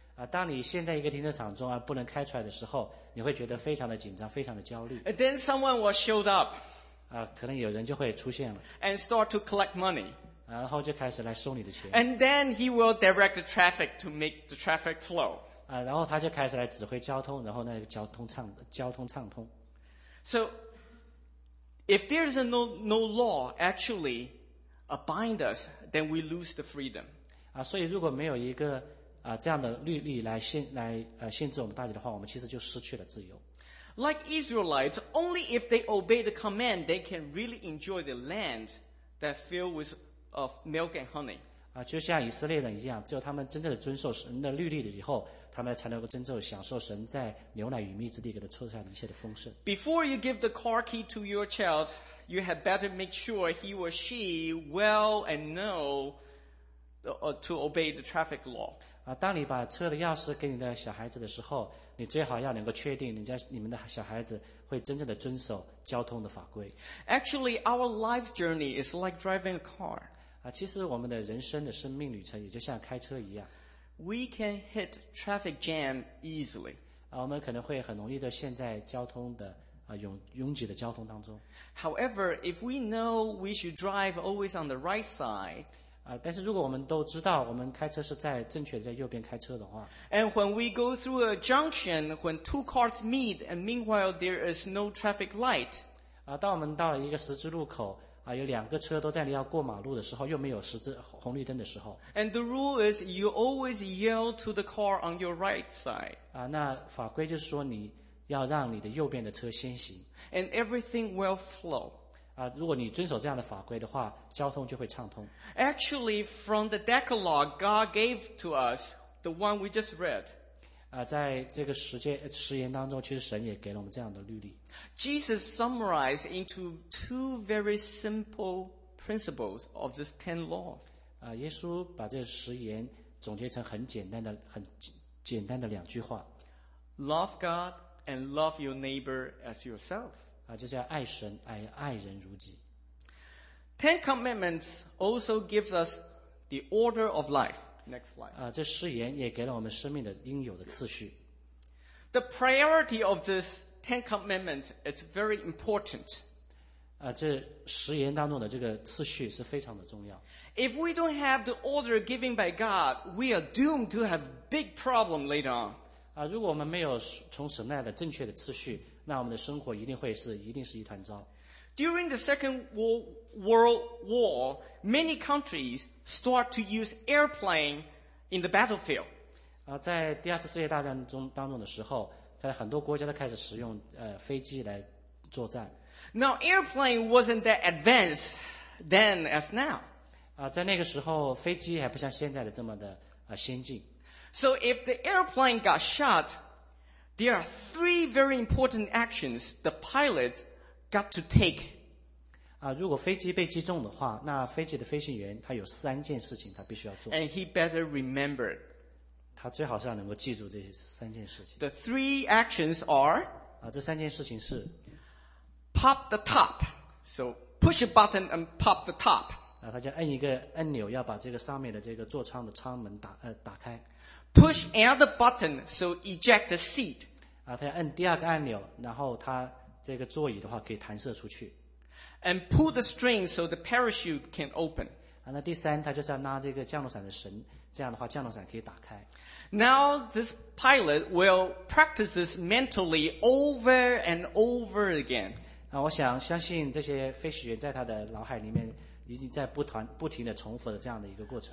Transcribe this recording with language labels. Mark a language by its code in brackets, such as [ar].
[zh] 当你陷在一个停车场中而不能开出来的时候，你会觉得非常的紧张，非常的焦虑。 [en] And then someone will show up. [zh] 可能有人就会出现了。 [en] And start to collect money. [zh] 然后就开始来收你的钱。 [en] And then he will direct the traffic to make the traffic flow. [zh] 然后他就开始来指挥交通，然后那个交通畅通。 [en] So, if there is no law actually bind us, then we lose the freedom. [zh] 所以如果没有一个这样的律例限制我们大家的话，我们其实就失去了自由。 [en] Like Israelites, only if they obey the command, they can really enjoy the land that filled with milk and honey. [zh] 就像以色列人一样，只有他们真正的遵守神的律例了以后，他们才能够真正享受神在牛奶与蜜之地给他出产一切的丰盛。 [en] Before you give the car key to your child, you had better make sure he or she well and know to obey the traffic law. [zh] 当你把车的钥匙给你的小孩子的时候，你最好要能够确定你们的小孩子会真正的遵守交通的法规。 [en] Actually, our life journey is like driving a car. [zh] 其实我们的人生的生命旅程也就像开车一样。 [en] We can hit traffic jam easily. [zh] 我们可能会很容易的陷在交通的拥挤的交通当中。 [en] However, if we know we should drive always on the right side, [zh] 但是如果我们都知道我们开车是在正确的在右边开车的话， [en] And when we go through a junction, when two cars meet, and meanwhile there is no traffic light, [zh] 当我们到了一个十字路口，有两个车都在那要过马路的时候，又没有十字红绿灯的时候， [en] And the rule is you always yell to the car on your right side, [zh] 那法规就是说你要让你的右边的车先行， [en] And everything will flow. [zh] 如果你遵守这样的法规的话，交通就会畅通。 [en] Actually, from the Decalogue God gave to us, the one we just read, [zh] 在这个十诫当中，其实神也给了我们这样的律例。 [en] Jesus summarized into two very simple principles of these 10 laws. [zh] 耶稣把这十言总结成很简单的两句话。 [en] Love God and love your neighbor as yourself. [zh] 就是要爱神，爱人如己。 [en] Ten Commandments also gives us the order of life. Next slide. [zh] 这誓言也给了我们生命的应有的次序。 [en] The priority of this Ten Commandments is very important. [zh] 这誓言当中的这个次序是非常的重要。 [en] If we don't have the order given by God, we are doomed to have big problem later on. [zh] 如果我们没有从神来的正确的次序，那我们的生活一定是一团糟。 [en] During the Second World War, many countries start to use airplane in the battlefield. [zh] 在第二次世界大战当中的时候，在很多国家都开始使用飞机来作战。 [en] Now airplane wasn't that advanced then as now. [zh] 在那个时候，飞机还不像现在的这么的先进。 [en] So if the airplane got shot. There are three very important actions the pilot got to take. [zh] 如果飞机被击中的话，那飞机的飞行员他有三件事情他必须要做。 [en] And he better remember. [zh] 他最好是要能够记住这三件事情。 [en] The three actions are. [zh] 这三件事情是。 [en] Pop the top. So push a button and pop the top. [zh] 他就按一个按钮要把这个上面的这个座舱的舱门打开。 [en] Push another button, so eject the seat. [zh] 他要按第二个按钮，然后他这个座椅的话可以弹射出去。 [en] And pull the string so the parachute can open. [zh] 那第三，他就是要拉这个降落伞的绳，这样的话降落伞可以打开。 [en] Now this pilot will practice this mentally over and over again. [zh] 那我想相信这些飞行员在他的脑海里面已经在不停的重复了这样的一个过程。